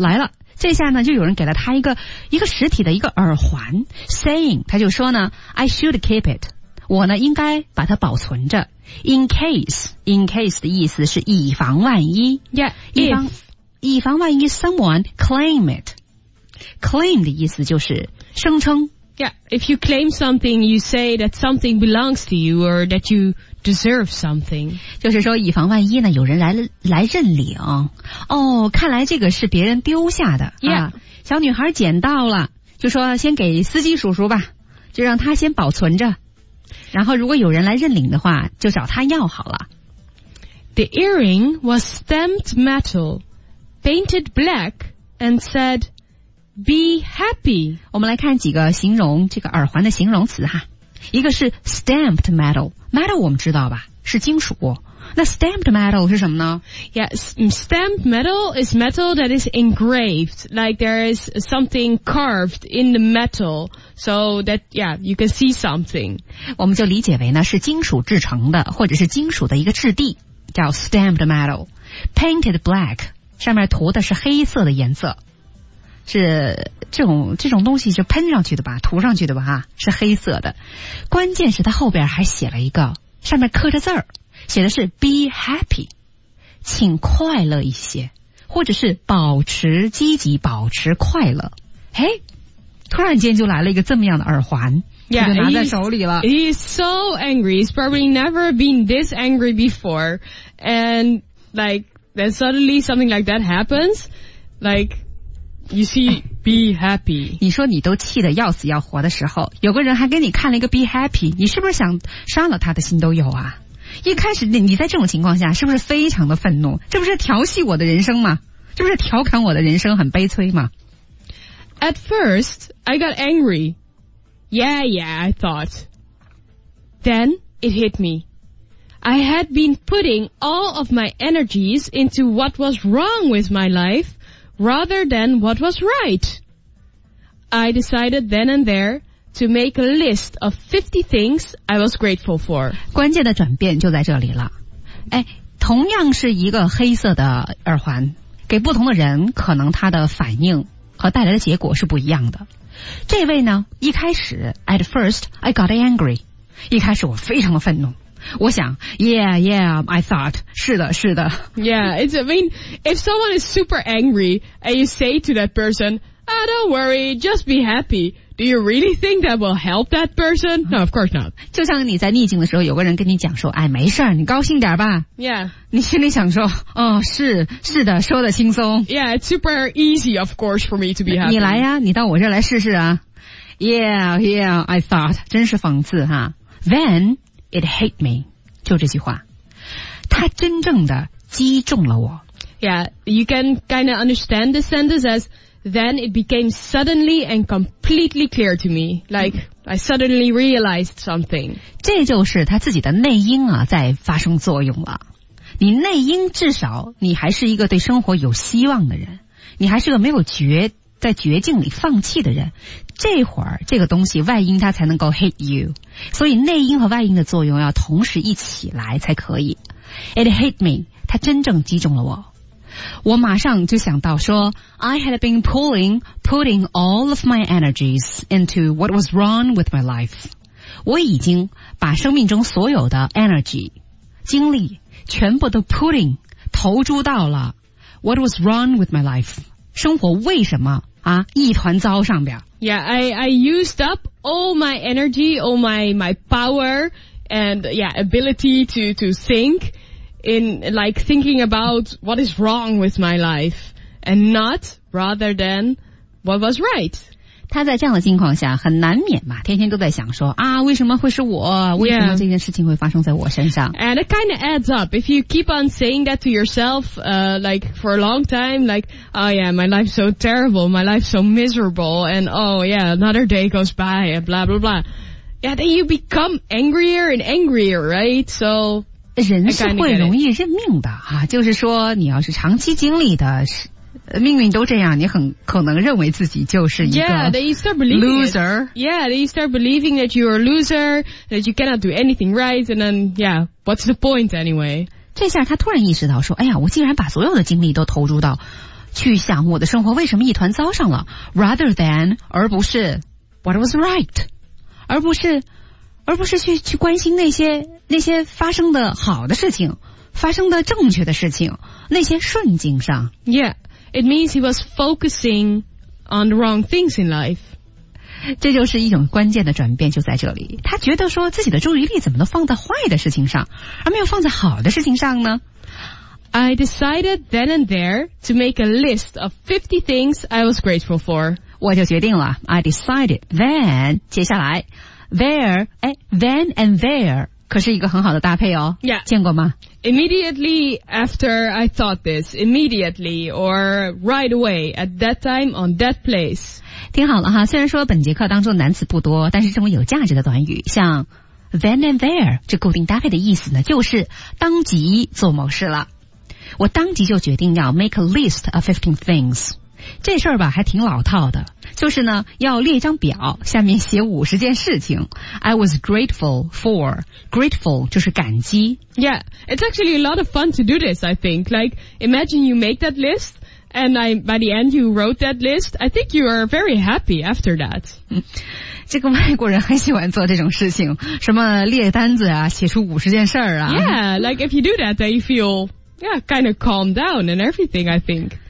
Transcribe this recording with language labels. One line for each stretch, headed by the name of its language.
Chinese: 来了。这下呢就有人给了他一个实体的一个耳环 saying 他就说呢
English: I should keep it
Chinese: 我呢应该把它保存着 in case 的意思是以防万一
English: yeah,
Chinese: 以防万一
English: someone claim it
Chinese: claim 的意思就是声称
English: yeah, if you claim something you say that something belongs to you or that youDeserve something.
Chinese: 就是说以防万一呢有人来认领。哦看来这个是别人丢下的。
English: Yeah.
Chinese: 啊、小女孩捡到了就说先给司机叔叔吧就让他先保存着。然后如果有人来认领的话就找他要好了。
English: The earring was stamped metal, painted black, and said, be happy.
Chinese: 我们来看几个形容这个耳环的形容词哈。一个是 stamped metal metal 我们知道吧是金属那 stamped metal 是什么呢
English: yes stamped metal is metal that is engraved like there is something carved in the metal so that yeah you can see something
Chinese: 我们就理解为呢是金属制成的或者是金属的一个质地叫
English: stamped metal painted black
Chinese: 上面涂的是黑色的颜色是这种东西是喷上去的吧涂上去的吧哈是黑色的。关键是它后边还写了一个上面刻着字儿写的是
English: be happy,
Chinese: 请快乐一些或者是保持积极保持快乐。嘿突然间就来了一个这么样的耳环
English: yeah,
Chinese: 就拿在手里了。
English: He is so angry, he's probably never been this angry before, and like, then suddenly something like that happens, like,You see, be happy.
Chinese: 你说你都气得要死要活的时候，有个人还给你看了一个
English: be happy，
Chinese: 你是不是想伤了他的心都有啊？一开始你在这种情况下，是不是非常的愤怒？这不是调戏我的人生吗？这不是调侃我的人生很悲催吗
English: ？At first, I got angry. Yeah, yeah, I thought. Then it hit me. I had been putting all of my energies into what was wrong with my life. Rather than what was right. I decided then and there to make a list of 50 things I was grateful for.
Chinese: 关键的转变就在这里了。哎，同样是一个黑色的耳环，给不同的人，可能他的反应和带来的结果是不一样的。这位呢，一开始 ,
English: at first, I got angry.
Chinese: 一开始我非常的愤怒。我想
English: yeah, yeah, I thought,
Chinese: 是的是的
English: Yeah, it's, I mean, if someone is super angry and you say to that person, ah,、oh, don't worry, just be happy, do you really think that will help that person? No, of course not.
Chinese: 就像你在逆境的时候有个人跟你讲说哎没事你高兴点吧
English: Yeah.
Chinese: 你心里想说哦是是的说的轻松
English: Yeah, it's super easy, of course, for me to be happy.
Chinese: 你来呀你到我这来试试啊
English: Yeah, yeah, I thought,
Chinese: 真是讽刺哈
English: Then,It hit me.
Chinese: 就这句话。它真正的击中了我。
English: Yeah, you can kind of understand the sentence as, then it became suddenly and completely clear to me. Like, I suddenly realized something.
Chinese: 这就是它自己的内因啊在发生作用了。你内因至少你还是一个对生活有希望的人。你还是个没有在绝境里放弃的人。这会儿这个东西外因它才能够 hit you。所以内因和外因的作用要同时一起来才可以。
English: It hit me,
Chinese: 它真正击中了我。我马上就想到说
English: ,I had been putting all of my energies into what was wrong with my life.
Chinese: 我已经把生命中所有的 energy, 精力全部都 putting, 投注到了
English: what was wrong with my life。
Chinese: 生活为什么啊一团糟上边
English: Yeah, I used up all my energy, all my power and yeah, ability to think in like thinking about what is wrong with my life and not rather than what was right.
Chinese: 他在这样的境况下很难免嘛天天都在想说啊为什么会是我为什么这件事情会发生在我身上。
English: Yeah. And it kind of adds up. If you keep on saying that to yourself, like for a long time, like, oh yeah, my life's so terrible, my life's so miserable, and oh yeah, another day goes by, and blah, blah, blah. Yeah, then you become angrier and angrier, right? So,
Chinese: 人是会容易认命的啊就是说你要是长期经历的命运都这样，你很可能认为自己就是一个 loser.
English: Yeah, they start believing that you're a loser, that you cannot do anything right, and then, yeah, what's the point anyway?
Chinese: 这下他突然意识到说，哎呀，我竟然把所有的精力都投入到去想我的生活为什么一团糟上了 ，rather than 而不是
English: what was right，
Chinese: 而不是去关心那些发生的好的事情，发生的正确的事情，那些顺境上。
English: Yeah, it means he was focusing on the wrong things in life.
Chinese: 这就是一种关键的转变，就在这里。他觉得说自己的注意力怎么都放在坏的事情上，而没有放在好的事情上呢？
English: I decided then and there to make a list of 50 things I was grateful for.
Chinese: 我就决定了 ,
English: I decided then,
Chinese: 接下来 then and there, 可是一个很好的搭配哦。
English: Yeah.
Chinese: 见过吗
English: ?Immediately after I thought this, immediately or right away, at that time, on that place.
Chinese: 听好了哈，虽然说本节课当中的难词不多，但是这么有价值的短语，像 then and there, 这固定搭配的意思呢，就是当即做某事了。我当即就决定要
English: make a list of 15 things，
Chinese: 这事儿吧还挺老套的，就是呢要列一张表，下面写50件事情。
English: I was grateful for， grateful
Chinese: 就是感激。
English: Yeah， it's actually a lot of fun to do this I think. Like imagine you make that listAnd I, by the end, you wrote that list. I think you are very happy after that.、
Chinese: 嗯、这个外国人很喜欢做这种事情，什么列单子啊，写出50件事儿啊。
English: Yeah, like if you do that, then you feel, yeah, kind of calmed down and everything, I think.